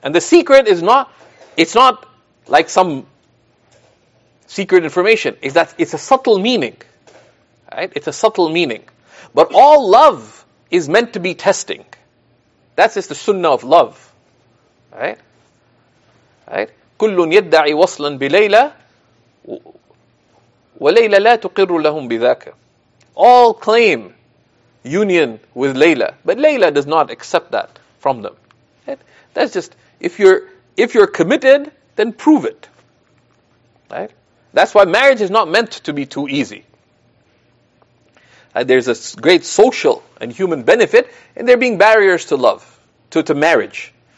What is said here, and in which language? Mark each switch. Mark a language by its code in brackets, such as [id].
[en] And the secret is not, it's not like some secret information. It's that it's a subtle meaning. Right? It's a subtle meaning. But all love is meant to be testing. That's just the sunnah of love. Right? Right? [ar] كُلٌّ يَدَّعِي وَصْلًا بِلَيْلَى وَلَيْلَى لَا تُقِرُّ لَهُمْ بِذَاكَ [en] All claim union with Layla. But Layla does not accept that from them. Right? That's just, if you're committed, then prove it. Right? That's why marriage is not meant to be too easy. There's a great social and human benefit in there being barriers to love, to marriage.